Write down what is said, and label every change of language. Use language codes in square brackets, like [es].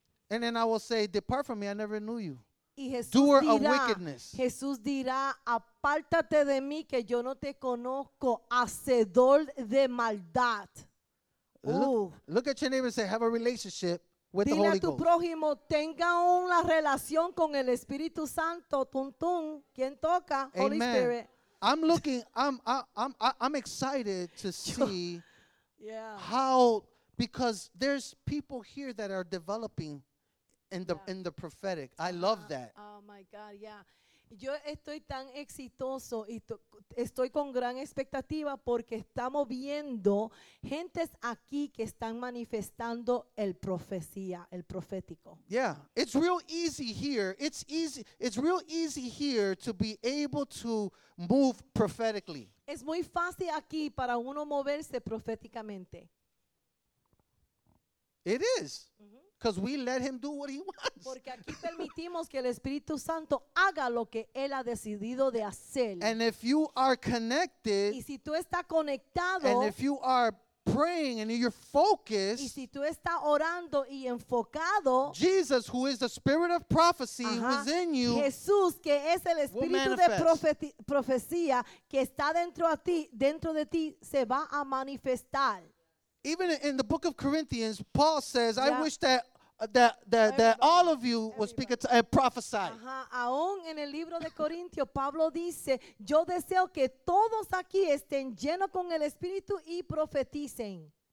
[en] And then I will say, "Depart from me, I never knew you." Y Jesús doer dirá, of wickedness. [es] Jesús dirá, "Apártate de mí que yo no te conozco, hacedor de maldad." [en] Look at your neighbor and say, "Have a relationship with [es] Dile [en] the Holy Ghost." [es] Dile a tu prójimo, tenga una relación con el Espíritu Santo. Tuntun, ¿quién toca? [en] Amen. Holy Spirit. I'm excited to see how, because there's people here that are developing in the prophetic. I love that. Oh my God, yeah. [es] Yo estoy tan exitoso y estoy con gran expectativa porque estamos viendo gentes aquí que están manifestando el profecía, el profético. [en] Yeah, it's real easy here. It's real easy here to be able to move prophetically. [es] Es muy fácil aquí para uno moverse proféticamente. [en] It is. Mm-hmm. Because we let him do what he wants. [es] Porque aquí permitimos que el Espíritu Santo haga lo que él ha decidido de hacer. [en] And if you are connected, [es] y si tú estás conectado, [en] and if you are praying and you're focused, [es] y si tú estás orando y enfocado, [en] Jesus, who is the spirit of prophecy, who is in you, [es] Jesús, que es el espíritu de profecía que está dentro a ti, dentro de ti, se va a manifestar. [en] Even in the book of Corinthians, Paul says, "I wish that all of you would speak and prophesy." [es] Aún en el libro de Corintios, Pablo dice, "Yo deseo que todos aquí estén llenos con el Espíritu y profeticen."